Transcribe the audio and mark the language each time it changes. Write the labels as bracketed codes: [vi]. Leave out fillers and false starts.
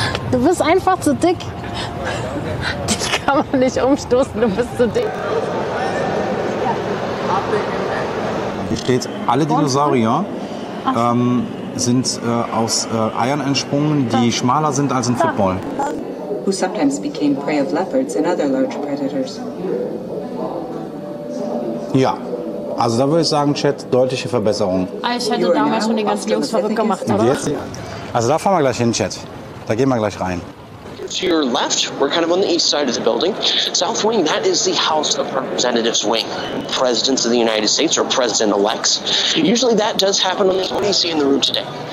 [de] Du bist einfach zu dick. Dich kann man nicht umstoßen, du bist zu dick. Hier steht, alle Dinosaurier sind aus Eiern entsprungen, die schmaler sind als ein Football. [en] Who sometimes became prey of leopards and other large predators. [de] Ja. Also da würde ich sagen, Chat, deutliche Verbesserung. Ich hätte damals schon die ganzen Jungs verrückt gemacht, oder? Also da fahren wir gleich hin, Chat. Da gehen wir gleich rein. [en] To your left, we're kind of on the east side of the building. South Wing, that is the House of Representatives Wing. Presidents of the United States or President-elects. Usually that does happen on the what do you see in the room today?